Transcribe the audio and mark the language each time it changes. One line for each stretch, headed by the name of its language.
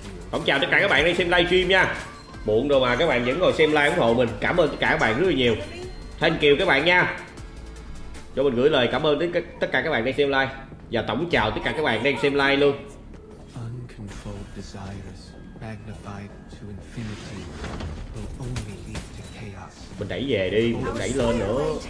Vietnamese: Không chào tất cả các bạn đang xem livestream nha. Muộn rồi mà các bạn vẫn ngồi xem live ủng hộ mình. Cảm ơn tất cả các bạn rất là nhiều. Thank you các bạn nha. Cho mình gửi lời cảm ơn đến tất cả các bạn đang xem live và tổng chào tất cả các bạn đang xem live luôn.
English: Uncontrolled desires magnified to infinity will only lead to chaos.
Vietnamese: Mình đẩy về đi, mình đẩy lên nữa.